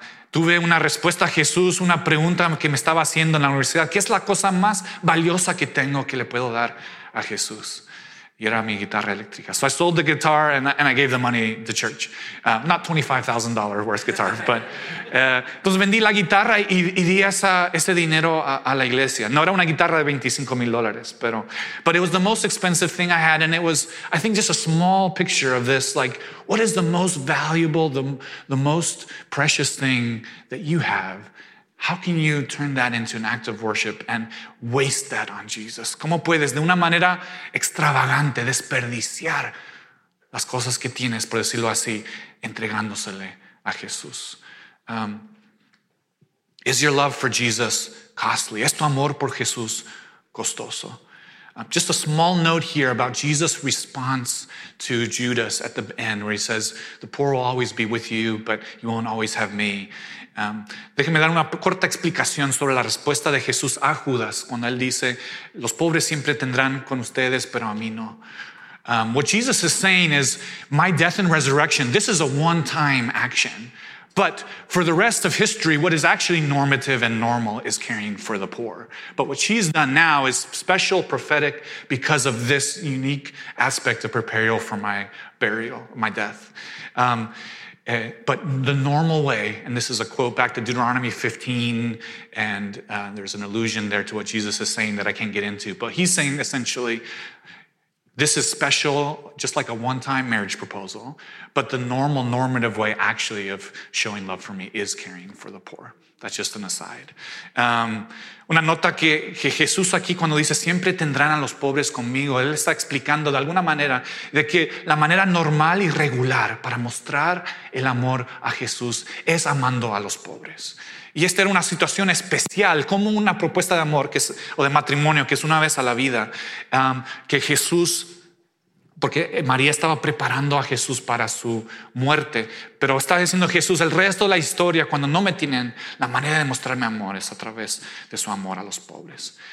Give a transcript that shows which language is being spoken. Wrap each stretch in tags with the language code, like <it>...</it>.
<es>Tuve una respuesta a Jesús, una pregunta que me estaba haciendo en la universidad. ¿Qué es la cosa más valiosa que tengo que le puedo dar a Jesús? Y era mi guitarra eléctrica.</es> <en>So I sold the guitar and I gave the money to church. Not $25,000 worth guitar, but...</en> <es>Entonces vendí la guitarra y di ese dinero a la iglesia. No era una guitarra de $25,000, pero...</es> <en>But it was the most expensive thing I had, and it was, I think, just a small picture of this, like, what is the most valuable, the most precious thing that you have? How can you turn that into an act of worship and waste that on Jesus?</en> <es>¿Cómo puedes de una manera extravagante desperdiciar las cosas que tienes, por decirlo así, entregándosele a Jesús?</es> <en>Is your love for Jesus costly?</en> <es>¿Es tu amor por Jesús costoso?</es> <en>Just a small note here about Jesus' response to Judas at the end, where he says, the poor will always be with you, but you won't always have me.</en> <es>Déjeme dar una corta explicación sobre la respuesta de Jesús a Judas cuando él dice, los pobres siempre tendrán con ustedes, pero a mí no.</es> <en>What Jesus is saying is, my death and resurrection, this is a one-time action. But for the rest of history, what is actually normative and normal is caring for the poor. But what she's done now is special, prophetic, because of this unique aspect of preparing for my burial, my death. But the normal way, and this is a quote back to Deuteronomy 15, and there's an allusion there to what Jesus is saying that I can't get into, but he's saying essentially, this is special, just like a one-time marriage proposal, but the normal, normative way actually of showing love for me is caring for the poor. That's just an aside.</en> <es>Una nota que Jesús aquí cuando dice siempre tendrán a los pobres conmigo, él está explicando de alguna manera de que la manera normal y regular para mostrar el amor a Jesús es amando a los pobres. Y esta era una situación especial, como una propuesta de amor o de matrimonio, que es una vez a la vida, que Jesús, porque María estaba preparando a Jesús para su muerte, pero está diciendo Jesús, el resto de la historia, cuando no me tienen, la manera de mostrarme amor es a través de su amor a los pobres.</es>